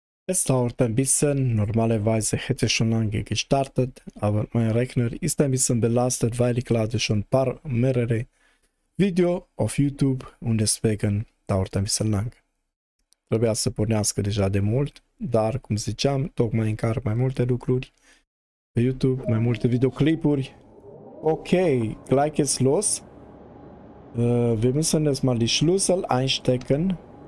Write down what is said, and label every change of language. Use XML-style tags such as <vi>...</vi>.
<de>Es dauert ein bisschen, normalerweise hätte ich schon lange gestartet, aber mein Rechner ist ein bisschen belastet, weil ich lade schon ein paar mehrere Videos auf YouTube und deswegen dauert ein bisschen lang.</de> <ro>Trebuia să pornească deja de mult, dar cum ziceam, tocmai încarc mai multe lucruri pe YouTube, mai multe videoclipuri.</ro> <de>Ok, gleich ist los. Wir müssen jetzt mal die Schlüssel einstecken.</de>